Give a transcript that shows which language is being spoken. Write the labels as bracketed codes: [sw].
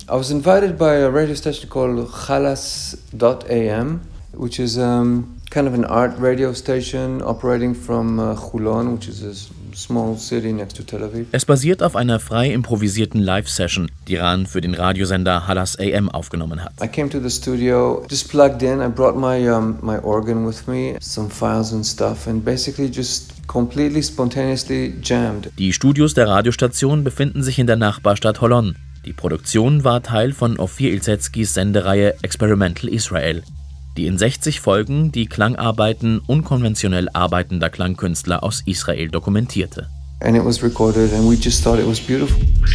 [en] I was invited by a radio station called Khalas.am, which is kind of an art radio station operating from Chulon, which is a small city next to Tel Aviv. [de] Es basiert auf einer frei improvisierten Live-Session, die Ran für den Radiosender Khalas AM aufgenommen hat. [en] I came to the studio, just plugged in, I brought my organ with me, some files and stuff, and basically just completely spontaneously jammed. [de] Die Studios der Radiostation befinden sich in der Nachbarstadt Holon. Die Produktion war Teil von Ofir Ilzetskis Sendereihe Experimental Israel, die in 60 Folgen die Klangarbeiten unkonventionell arbeitender Klangkünstler aus Israel dokumentierte. [en] And it was recorded and we just thought it was beautiful.